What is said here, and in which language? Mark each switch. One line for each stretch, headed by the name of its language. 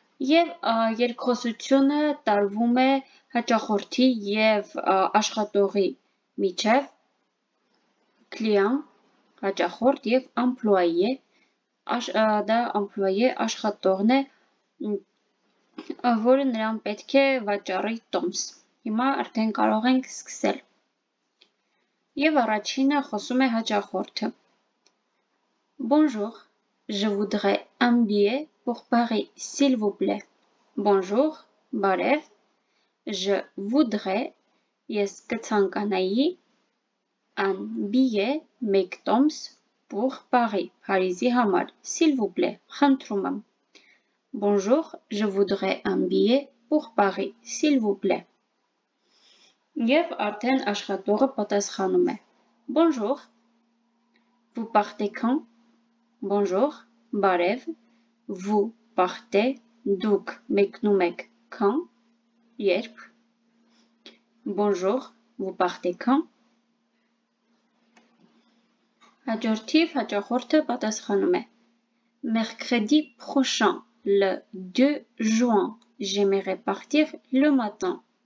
Armenian: Եվ երկխոսությունը տարվում է հաճախորդի և աշխատողի միջև, client, հաճախորդ և employé, դա employé աշխատողն է, որը նրան պետք է վաճառի տոմս։ Հիմա արդեն կարող ենք սկսել։ Եվ առաջինը խոսում է հաճախորդը.
French: Bonjour, je voudrais un billet pour Paris, s'il vous plaît. Bonjour,
Armenian: բարև,
French: je voudrais,
Armenian: ես կցանկանայի,
French: un billet,
Armenian: մեկ տոմս,
French: pour Paris,
Armenian: Փարիզի համար,
French: s'il vous plaît,
Armenian: խնդրում եմ.
French: Bonjour, je voudrais un billet pour Paris, s'il vous plaît.
Armenian: Եվ արդեն աշխատողը պատասխանում է.
French: Bonjour. Vous partez quand? Bonjour.
Armenian: Բարև.
French: Vous partez?
Armenian: Դուք մեկնում եք
French: quand?
Armenian: Երբ?
French: Bonjour. Vous partez quand?
Armenian: Հաջորդիվ հաճախորդը պատասխանում է.
French: Mercredi prochain, le 2 juin, j'aimerais partir le matin.